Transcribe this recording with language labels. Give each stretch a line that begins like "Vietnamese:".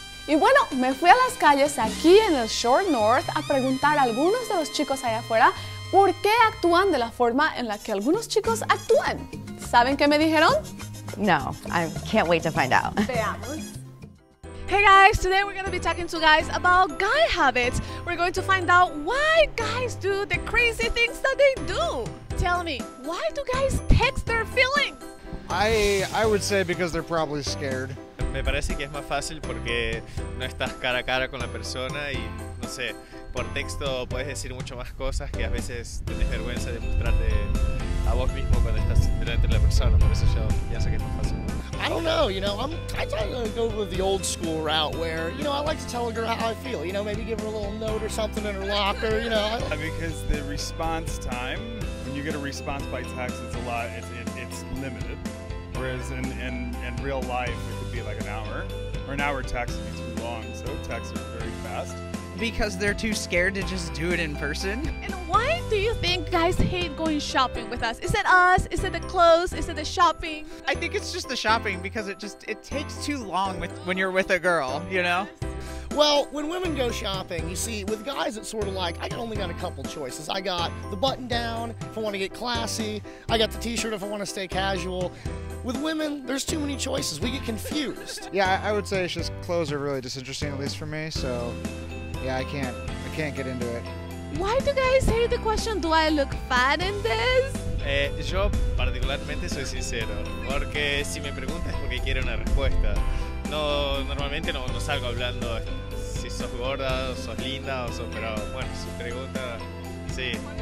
Spanish: Y bueno, me fui a las calles aquí en el Short North a preguntar a algunos de los chicos allá afuera por qué actúan de la forma en la que algunos chicos actúan. ¿Saben qué me dijeron?
English: No, I can't wait to find out. Hey guys, today we're going to be talking to guys about guy habits. We're going to find out why guys do the crazy things that they do. Tell me, why do guys text their feelings? I would say because they're probably scared.
Spanish: Me parece que es más fácil porque no estás cara a cara con la persona y no sé, por texto puedes decir mucho más cosas que a veces tienes vergüenza de mostrarte a vos mismo cuando estás delante de la persona. Por eso yo ya sé que es más fácil.
English: I don't know, you know, I try to go with the old school route where, you know, I like to tell a girl how I feel, you know, maybe give her a little note or something in her locker, you know. Because the response time, when you get a response by text, it's a lot, it's limited. Whereas in real life, it could be like an hour, or an hour text would be too long, so texts are very fast. Because they're too scared to just do it in person. And why do you think guys hate going shopping with us? Is it us? Is it the clothes? Is it the shopping? I think it's just the shopping because it takes too long when you're with a girl, you know? Well, when women go shopping, you see, with guys, it's sort of like, I only got a couple choices. I got the button down if I want to get classy. I got the t-shirt if I want to stay casual. With women, there's too many choices. We get confused. Yeah, I would say it's just clothes are really disinteresting, at least for me. So, yeah, I can't get into it. Why do guys hate the question, do I look fat in this?
Spanish: Yo particularmente soy sincero, porque si me preguntas porque quiero una respuesta. No, normalmente no salgo hablando si sos gorda o sos linda o sos, pero bueno, su pregunta, sí.